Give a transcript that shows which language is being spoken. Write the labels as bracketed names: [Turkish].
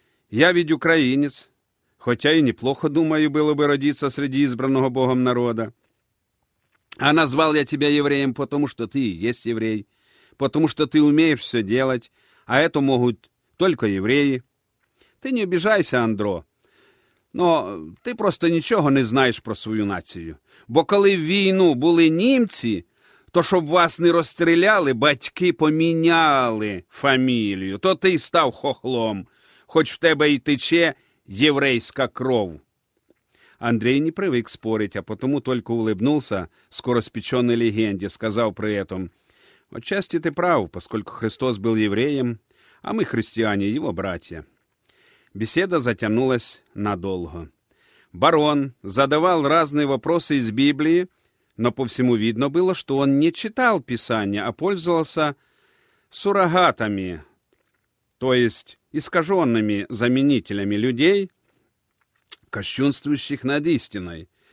[Russian] Я ведь украинец, хотя и неплохо, думаю, было бы родиться среди избранного Богом народа. А назвал я тебя евреем, потому что ты и есть еврей, потому что ты умеешь все делать, а это могут только евреи. Ты не обижайся, Андро. [Ukrainian] Но ти просто нічого не знаєш про свою націю. Бо коли в війну були німці, то щоб вас не розстріляли, батьки поміняли фамілію, то ти й став хохлом, хоч в тебе й тече єврейська кров». Андрій не привик спорити, а потому тільки улыбнувся скороспеченій легенді, сказав при цьому: «Отчасти ти прав, поскольку Христос був євреєм, а ми християни, його браття». [Russian] Беседа затянулась надолго. Барон задавал разные вопросы из Библии, но по всему видно было, что он не читал Писание, а пользовался суррогатами, то есть искаженными заменителями людей, кощунствующих над истиной.